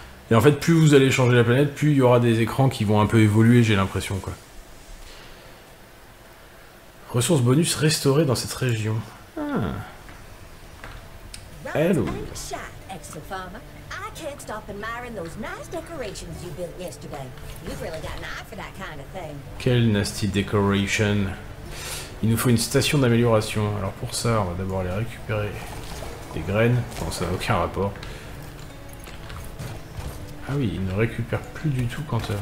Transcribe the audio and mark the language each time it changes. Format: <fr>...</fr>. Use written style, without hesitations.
<fr>Et en fait, plus vous allez changer la planète, plus il y aura des écrans qui vont un peu évoluer, j'ai l'impression, quoi. Ressources bonus restaurées dans cette région. Ah. Hello.</fr> <en>excellent farmer. I can't stop admiring those nice decorations you built yesterday. You've really got an eye for that kind of thing. Quelle nasty decoration.</en> <fr>Il nous faut une station d'amélioration. Alors pour ça, on va d'abord aller récupérer des graines. Bon, ça n'a aucun rapport. Ah oui, il ne récupère plus du tout quand...</fr>